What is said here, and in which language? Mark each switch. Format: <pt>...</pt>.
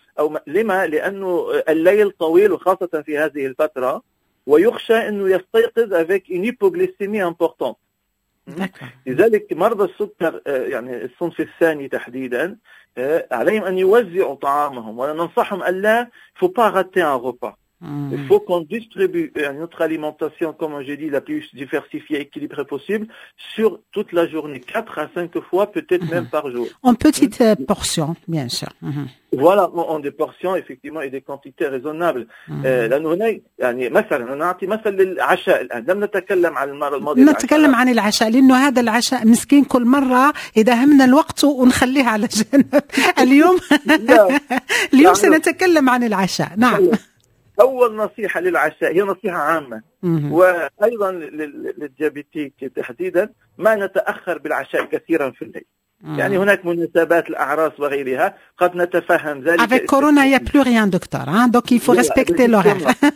<ar>أو لما؟ لأنه الليل طويل وخاصة في هذه الفترة، ويخشى أنه يستيقظ</ar> <fr>avec une hypoglycémie importante.</fr> <ar>لذلك مرضى السكر يعني الصنف الثاني تحديدا عليهم أن يوزعوا طعامهم، وننصحهم ألا</ar> <fr>faut pas rater un repas. Il faut qu'on distribue notre alimentation comme j'ai dit la plus diversifiée et équilibrée possible sur toute la journée 4 à 5 fois peut-être même par jour. En petites portions bien sûr. Voilà, en des portions effectivement et des quantités raisonnables.</fr> <ar>لأنه هنا يعني مثلا نعطي مثل للعشاء، لم نتكلم عن المرة الماضية نتكلم عن العشاء، لأنه هذا العشاء مسكين كل مرة إذا همنا الوقت ونخليه على جنب. اليوم اليوم سنتكلم عن العشاء. نعم، أول نصيحة للعشاء هي نصيحة عامة وأيضا للديابيتيك تحديدا، ما نتأخر بالعشاء كثيرا في الليل. يعني هناك مناسبات الأعراس وغيرها قد نتفهم ذلك.</ar> <fr>avec كورونا يا plus rien دكتور، donc il faut respecter l'horaire.</fr>